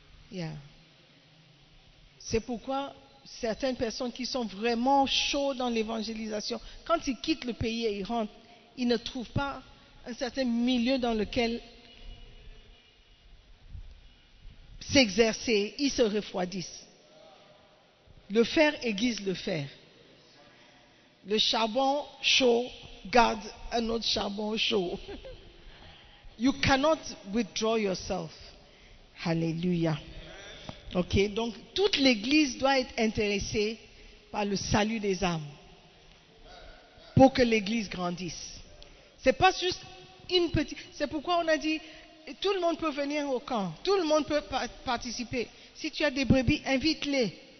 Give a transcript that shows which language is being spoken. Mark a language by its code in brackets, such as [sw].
[fr] Yeah. C'est pourquoi certaines personnes qui sont vraiment chaudes dans l'évangélisation, quand ils quittent le pays et ils rentrent, ils ne trouvent pas un certain milieu dans lequel s'exercer, ils se refroidissent. Le fer aiguise le fer. Le charbon chaud garde un autre charbon chaud. [en] You cannot withdraw yourself. Hallelujah. [fr] OK, donc toute l'église doit être intéressée par le salut des âmes pour que l'église grandisse. C'est pas juste une petite... C'est pourquoi on a dit... Et tout le monde peut venir au camp. Tout le monde peut participer. Si tu as des brebis, invite-les.